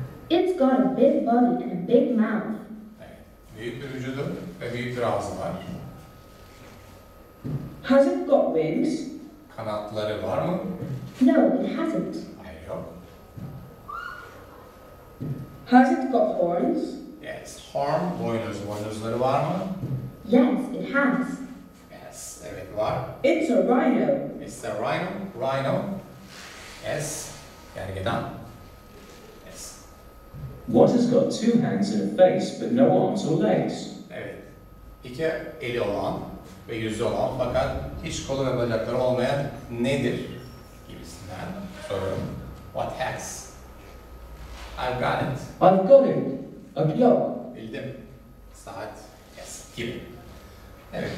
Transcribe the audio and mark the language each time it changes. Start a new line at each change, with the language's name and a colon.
English: It's got a big body and a big mouth.
Turkish: Evet, büyük bir vücudu ve büyük bir ağzı var.
English: Has it got wings?
Turkish: Kanatları var mı?
English: No, it hasn't.
Turkish: Hayır, yok.
English: Has it got horns? Yes, horn,
Turkish: boynuz, boynuzları var mı?
English: Yes, it has.
Turkish: Yes, evet var.
English: It's a rhino. It's a rhino, rhino. Yes, gergedan. What has got two hands and a face, but no arms or legs?
Turkish: Evet. İki eli olan ve yüzü olan fakat hiç kolu ve bacakları olmayan nedir? Gibisinden soruyorum.
English: What has? I've got it. I've got it. A clock.
Turkish: Bildim. Saat. Yes. Gibi. Evet.